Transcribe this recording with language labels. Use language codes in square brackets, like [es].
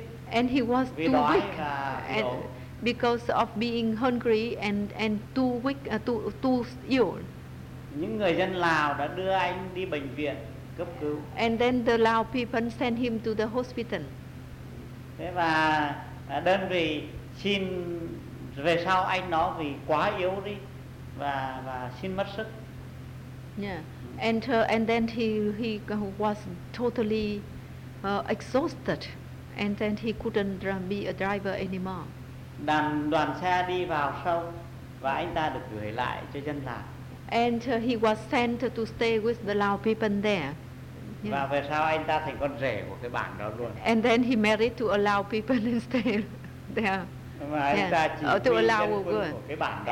[en] And he was too weak. Because of being hungry and too weak, too ill. [vi] Những người dân Lào đã đưa anh đi bệnh viện cấp cứu. [en] And then the Lao people sent him to the hospital. [vi] Thế và đơn vị xin về sau anh nó vì quá yếu đi và xin mất sức. [en] Yeah. And then he was totally exhausted, and then he couldn't be a driver anymore. [vi] Đoàn xe đi vào sâu và anh ta được gửi lại cho dân Lào. [en] And he was sent to stay with the Lao people there. Yeah. [vi] Và về sau anh ta thành con rể của cái bản đó luôn. [en] And then he married to a Lao people and stay there. [vi] Và anh ta chỉ huy dân quân của cái bản đó.